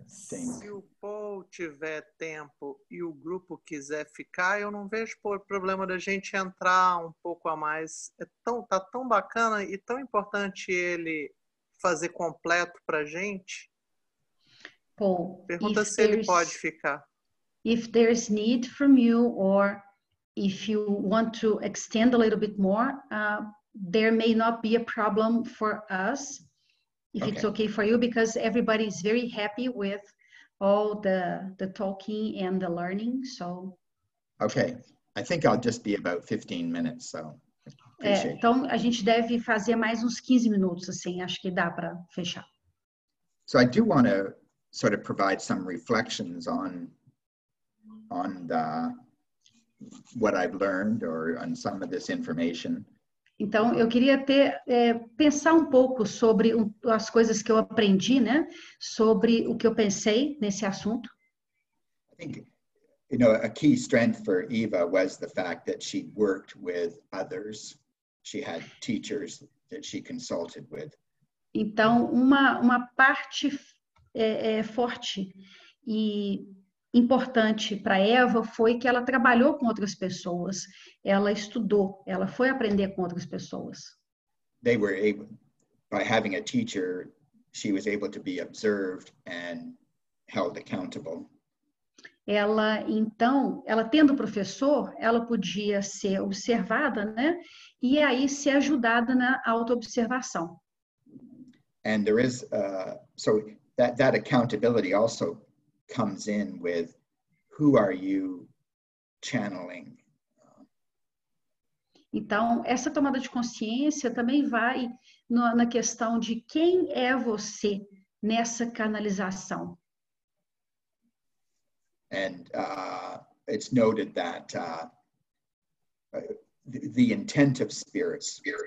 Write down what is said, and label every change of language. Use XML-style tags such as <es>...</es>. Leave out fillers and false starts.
<pt>Se o Paul tiver tempo e o grupo quiser ficar, eu não vejo por problema da gente entrar um pouco a mais. Tá tão bacana e tão importante ele fazer completo pra gente. Paul, pergunta se ele pode ficar.</pt> <en>If there's need from you or if you want to extend a little bit more, there may not be a problem for us. If okay. It's okay for you, because everybody is very happy with all the talking and the learning, so. Okay, I think I'll just be about 15 minutes, so.</en> <pt>Então a gente deve fazer mais uns 15 minutos, assim, acho que dá para fechar.</pt> <en>So I do want to sort of provide some reflections on the what I've learned or on some of this information.</en> <pt>Então, eu queria ter, pensar um pouco sobre as coisas que eu aprendi, né? Sobre o que eu pensei nesse assunto.</pt> <en>I think, you know, a key strength for Eva was the fact that she worked with others. She had teachers that she consulted with.</en> <pt>Então, uma parte forte e importante para Eva foi que ela trabalhou com outras pessoas. Ela estudou, ela foi aprender com outras pessoas.</pt> <en>They were able, by having a teacher, she was able to be observed and held accountable.</en> <pt>Ela, então, ela tendo professor, ela podia ser observada, né? E aí ser ajudada na auto-observação.</pt> <en>And there is, so that accountability also comes in with who are you channeling?</en> <pt>Então, essa tomada de consciência também vai no, na questão de quem é você nessa canalização.</pt> <en>And it's noted that the intent of spirits.</en>